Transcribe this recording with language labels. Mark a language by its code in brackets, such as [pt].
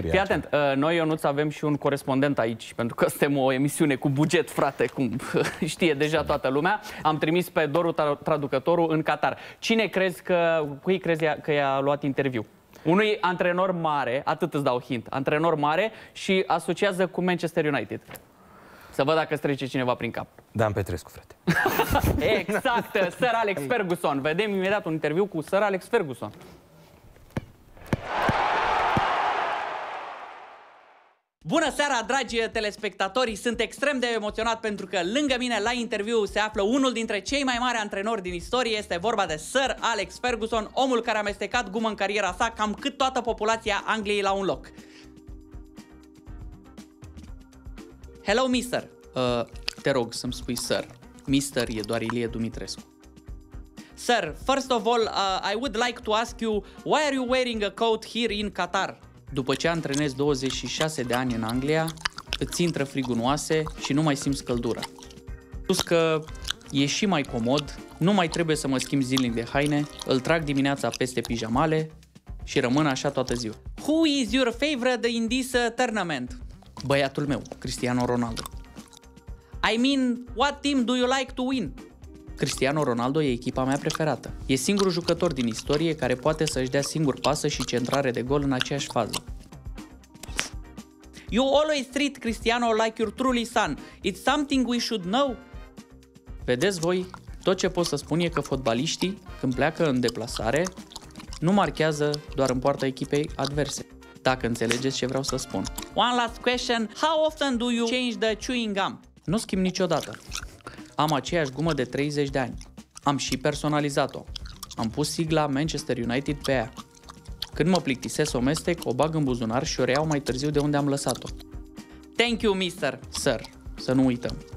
[ro] Fii atent, noi, Ionuț, avem și un corespondent aici, pentru că suntem o emisiune cu buget, frate, cum știe deja toată lumea. Am trimis pe Doru Traducătorul în Qatar. Cine crezi că... Cui crezi că i-a luat interviu? Unui antrenor mare, atât îți dau hint, antrenor mare și asociază cu Manchester United. Să văd dacă strece cineva prin cap. Dan Petrescu, frate. Exact, Sir Alex Ferguson. Vedem imediat un interviu cu Sir Alex Ferguson. Bună seara, dragi telespectatori! Sunt extrem de emoționat pentru că lângă mine la interviu se află unul dintre cei mai mari antrenori din istorie. Este vorba de Sir Alex Ferguson, omul care a amestecat gumă în cariera sa cam cât toată populația Angliei la un loc. [en] Hello, mister. [ro] Te rog să-mi spui sir. Mister e doar Ilie Dumitrescu. [en] Sir, first of all, I would like to ask you, why are you wearing a coat here in Qatar? [ro] După ce antrenezi 26 de ani în Anglia, îți intră frigul în oase și nu mai simți căldura. Plus că e și mai comod, nu mai trebuie să mă schimb zilnic de haine, îl trag dimineața peste pijamale și rămân așa toată ziua. [en] Who is your favorite in this tournament? [ro] Băiatul meu, Cristiano Ronaldo. [en] I mean, what team do you like to win? [ro] Cristiano Ronaldo e echipa mea preferată. E singurul jucător din istorie care poate să-și dea singur pasă și centrare de gol în aceeași fază. [en] You always treat Cristiano like your truly son. It's something we should know. [ro] Vedeți voi, tot ce pot să spun e că fotbaliștii, când pleacă în deplasare, nu marchează doar în poarta echipei adverse. Dacă înțelegeți ce vreau să spun. [en] One last question. How often do you change the chewing gum? [ro] Nu schimb niciodată. Am aceeași gumă de 30 de ani. Am și personalizat-o. Am pus sigla Manchester United pe ea. Când mă plictisesc o mestec, o bag în buzunar și o reiau mai târziu de unde am lăsat-o. [en] Thank you, mister. [ro] Sir, să nu uităm.